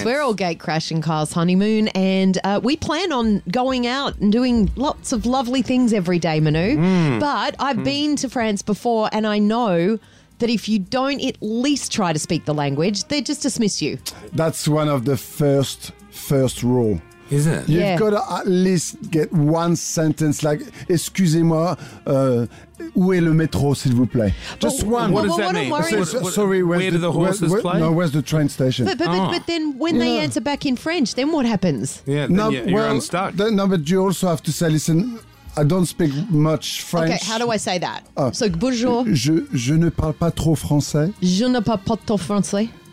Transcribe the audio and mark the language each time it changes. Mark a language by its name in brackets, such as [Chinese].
[English] Yes, we're all gate crashing Kyle's honeymoon, and we plan on going out and doing lots of lovely things every day, Manu. Mm. But I've been to France before, and I know that if you don't at least try to speak the language, they just dismiss you. That's one of the first rule. Is it? You've got to at least get one sentence like, [French] excusez-moi, où est le métro, s'il vous plaît? [English] Just one. What does that mean? Sorry, where do the horses play? No, where's the train station? But then when they answer back in French, then what happens? Yeah, then you're unstuck. But you also have to say, listen, I don't speak much French. Okay, how do I say that? So, bonjour. [French] Je ne parle pas trop français. Je ne parle pas trop français.